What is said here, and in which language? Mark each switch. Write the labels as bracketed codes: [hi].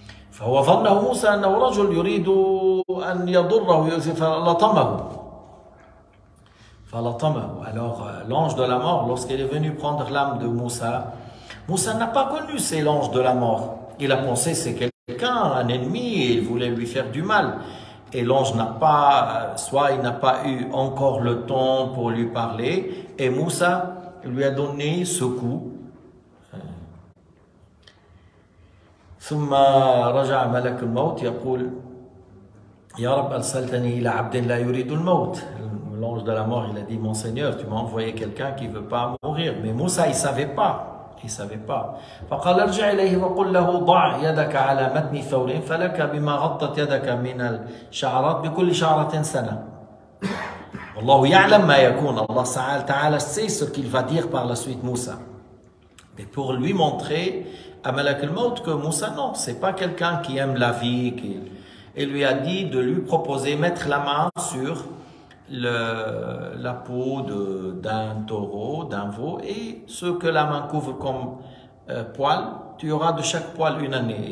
[ar] فهو ظنه موسى انه رجل يريد ان يضره ويؤذي فلطمه. [fr] Alors, l'ange de la mort, lorsqu'il est venu prendre l'âme de Moussa, Moussa n'a pas connu c'est l'ange de la mort. Il a pensé c'est quelqu'un, un ennemi, et il voulait lui faire du mal. Et l'ange n'a pas, soit il n'a pas eu encore le temps pour lui parler, et Moussa lui a donné ce coup. [ar] ثم رجع ملك الموت يقول يا رب أرسلتني إلى عبد لا يريد الموت. [fr] L'ange de la mort, il a dit, mon Seigneur, tu m'as envoyé quelqu'un qui ne veut pas mourir. Mais Moussa, il ne savait pas. Il ne savait pas. [ar] فقال ارجع إليه وقل له ضع يدك على متن ثور فلك بما غطت يدك من الشعرات بكل شعرة سنة. الله يعلم ما يكون. الله تعالى [fr] sait ce qu'il va dire par la suite Moussa. Mais pour lui montrer [ar] ملك الموت [fr] que Moussa, non, c'est pas quelqu'un qui aime la vie. Il lui a dit de lui proposer mettre la main sur la peau d'un taureau, d'un veau, et ce que la main couvre comme poil, tu auras de chaque poil une année.